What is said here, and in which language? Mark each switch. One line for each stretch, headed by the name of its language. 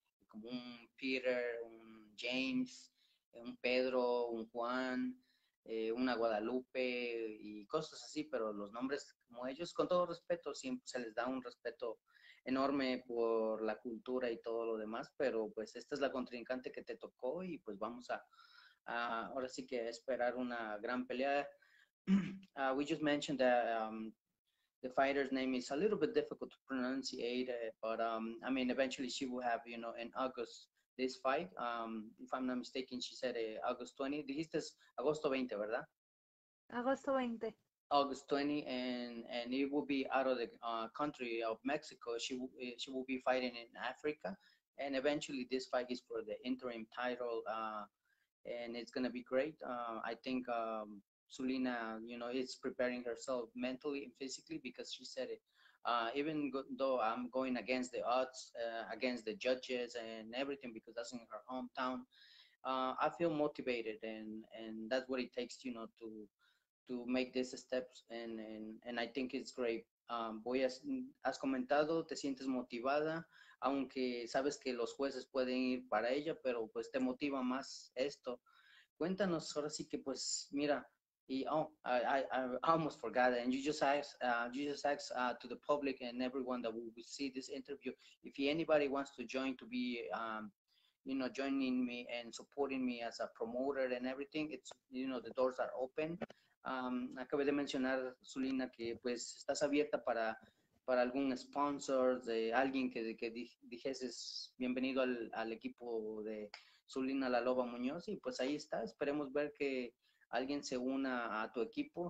Spanish: Como un Peter, un James, un Pedro, un Juan, una Guadalupe y cosas así, pero los nombres como ellos, con todo respeto, siempre se les da un respeto enorme por la cultura y todo lo demás, pero pues esta es la contrincante que te tocó y pues vamos a ahora sí que esperar una gran pelea.
English: We just mentioned that the fighter's name is a little bit difficult to pronounce, but I mean, eventually she will have, you know, in August this fight. If I'm not mistaken, she said August 20.
Spanish: Dijiste agosto 20, ¿verdad? Agosto 20.
English: August 20, and it will be out of the country of Mexico. She will be fighting in Africa, and eventually this fight is for the interim title, and it's gonna be great. I think Zulina, you know, is preparing herself mentally and physically because she said it. Even though I'm going against the odds, against the judges and everything, because that's in her hometown, I feel motivated, and that's what it takes, you know, to make these steps, and I think it's great.
Spanish: Has comentado, te sientes motivada, aunque sabes que los jueces pueden ir para ella, pero pues te motiva más esto. Cuéntanos, ahora sí que pues, mira, y oh,
English: I almost forgot it. And you just asked to the public and everyone that will see this interview if anybody wants to join to be you know joining me and supporting me as a promoter and everything, it's you know the doors are open.
Spanish: Acabé de mencionar, Zulina, que pues estás abierta para algún sponsor de alguien que dijeses bienvenido al equipo de Zulina La Loba Muñoz y pues ahí está, esperemos ver que alguien se una a tu equipo.